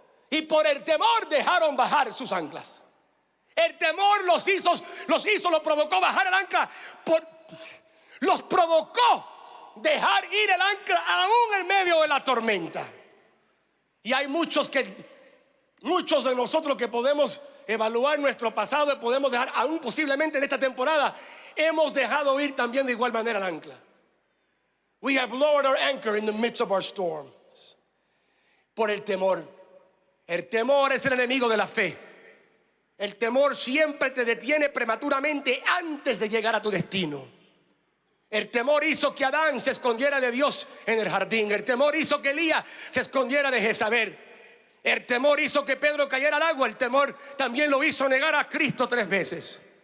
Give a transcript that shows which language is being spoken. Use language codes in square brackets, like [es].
[es] Y por el temor dejaron bajar sus anclas. El temor los provocó bajar el ancla, los provocó dejar ir el ancla aún en medio de la tormenta. Y hay muchos de nosotros que podemos evaluar nuestro pasado y podemos dejar, aún posiblemente en esta temporada, hemos dejado ir también de igual manera el ancla. [en] We have lowered our anchor in the midst of our storms. [es] Por el temor. El temor es el enemigo de la fe. El temor siempre te detiene prematuramente antes de llegar a tu destino. El temor hizo que Adán se escondiera de Dios en el jardín. El temor hizo que Elías se escondiera de Jezabel. El temor hizo que Pedro cayera al agua. El temor también lo hizo negar a Cristo 3 veces.